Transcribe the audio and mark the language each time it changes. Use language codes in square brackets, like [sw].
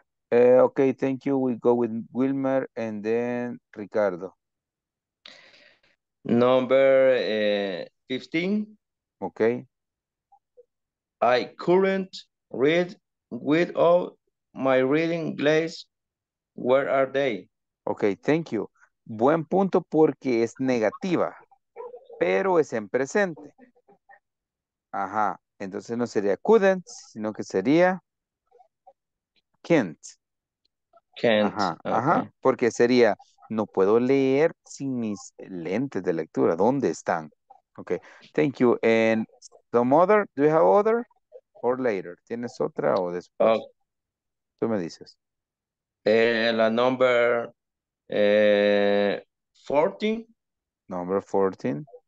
[en] Okay, thank you. We go with Wilmer and then Ricardo. Number 15. Okay. I couldn't read with all my reading glasses. Where are they? Okay, thank you. [es] Buen punto porque es negativa, pero es en presente. Ajá. Entonces no sería couldn't, sino que sería can't. [en] Can't. Ajá, okay. [es] Ajá, porque sería, no puedo leer sin mis lentes de lectura. ¿Dónde están? [en] Okay, thank you. And some other, do you have other or later? [es] ¿Tienes otra o después? Oh. Tú me dices. [en] La number 14. Number 14.